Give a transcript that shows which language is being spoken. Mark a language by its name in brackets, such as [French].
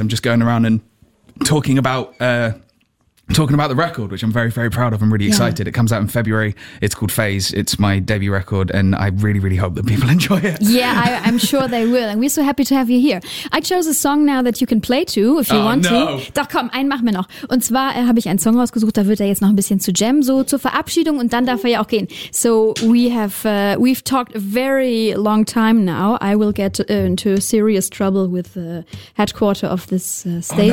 [English] I'm just going around and talking about the record, which I'm very, very proud of. I'm really excited. Yeah. It comes out in February. It's called Phase. It's my debut record, and I really, really hope that people enjoy it. Yeah, I'm sure they will. And we're so happy to have you here. I chose a song now that you can play too, if you want to. [German] Doch komm, einen machen wir noch. Und zwar habe ich einen Song rausgesucht, da wird er jetzt noch ein bisschen zu jam, so zur Verabschiedung, und dann darf er ja auch gehen. [English] So we've talked a very long time now. I will get into serious trouble with the headquarter of this station.